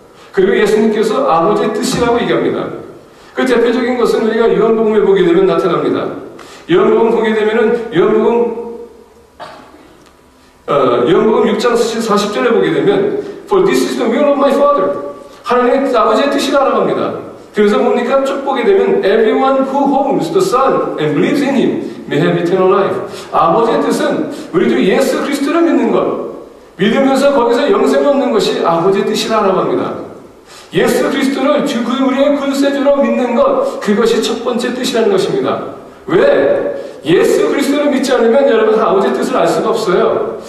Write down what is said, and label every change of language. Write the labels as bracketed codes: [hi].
[ko] 그리고 예수님께서 아버지의 뜻이라고 얘기합니다. 그 대표적인 것은 우리가 요한복음에 보게 되면 나타납니다. 요한복음 보게 되면은 요한복음 6장 40절에 보게 되면 [en] For this is the will of my Father. [ko] 하나님의 아버지의 뜻이라고 합니다. 그래서 뭡니까? 쭉 보게 되면 [en] Everyone who holds the Son and believes in Him may have eternal life. [ko] 아버지의 뜻은 우리도 예수 그리스도를 믿는 것, 믿으면서 거기서 영생을 얻는 것이 아버지의 뜻이라고 합니다. 예수 그리스도를 우리의 구세주로 믿는 것, 그것이 첫 번째 뜻이라는 것입니다. 왜? 예수 그리스도를 믿지 않으면 여러분 아버지의 뜻을 알 수가 없어요.